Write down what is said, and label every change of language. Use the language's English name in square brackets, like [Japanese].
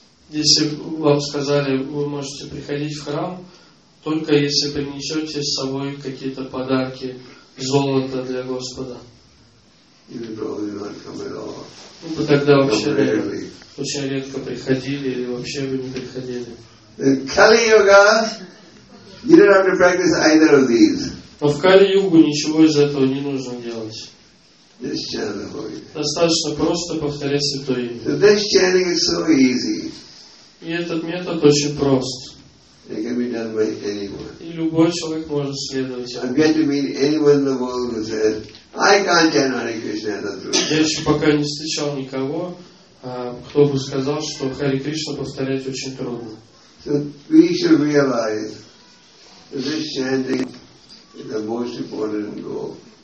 [Russian] Если вам сказали, вы можете приходить в храм, только если принесете с собой какие-то подарки, золото для Господа. Ну, вы тогда вообще очень редко приходили или вообще вы не приходили. [English] In Kali Yuga, you don't have to practice either of these. [Russian] Но в Кали-югу ничего из этого не нужно делать. [English] Just chant the holy name. [Russian] Достаточно просто повторять святое имя. [English] So this chanting is so easy. [Russian] И этот метод очень прост. [English] It can be done by anyone. [Russian] И любой человек может следовать. [English] I'm yet to meet anyone in the world who said, I can't chant Hare Krishna as a truth. [Russian] Я еще пока не встречал никого, кто бы сказал, что Хари Кришна повторять очень трудно. [English] So we should realize that this chanting is the most important goal.